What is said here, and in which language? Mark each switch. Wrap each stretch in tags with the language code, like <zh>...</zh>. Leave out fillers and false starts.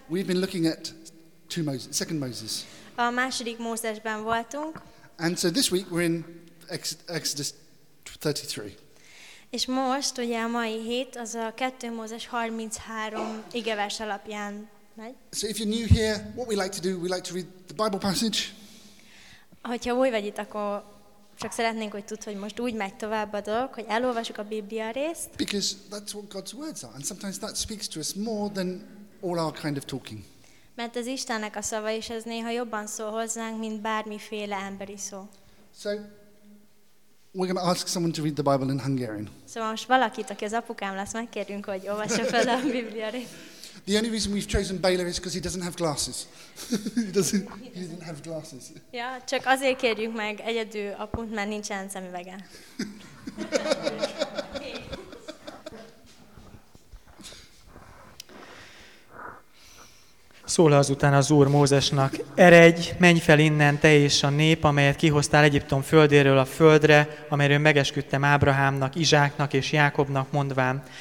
<en>We've been looking at Second Moses.</en> <hu>A második Mózesben voltunk.</hu> <en>And so this week we're in Exodus 33.</en> <hu>És most ugye a mai hét az a 2 Mózes 33 igevers alapján megy.</hu> <en>So if you're new here, what we like to do, we like to read the Bible passage.</en> <hu>Hogyha új vagy itt, akkor csak szeretnénk, hogy tudd, hogy most úgy megy tovább a dolog, hogy elolvasjuk a Biblia részt.</hu> <en>Because that's what God's words are, and sometimes that speaks to us more than all our kind of talking.</en> <hu>Mert az Istennek a szava is, ez néha jobban szól hozzánk, mint bármiféle emberi szó.</hu> <en>So, we're going to ask someone to read the Bible in Hungarian.</en> <hu>Szóval most valakit, aki az apukám lesz, megkérünk, hogy olvassa fel a Biblia részt.</hu> <en>The only reason we've chosen Baylor is because he doesn't have glasses. he doesn't have glasses.</en> <hu>Yeah, csak azért kérjük meg egyedül apunt, mert nincsen szemüvege. Szól azután az Úr Mózesnak, eredj, menj fel innen, te és a nép, amelyet kihoztál Egyiptom földéről a földre, amelyről megesküdtem Ábrahámnak, Izsáknak és Jákobnak mondván.</hu>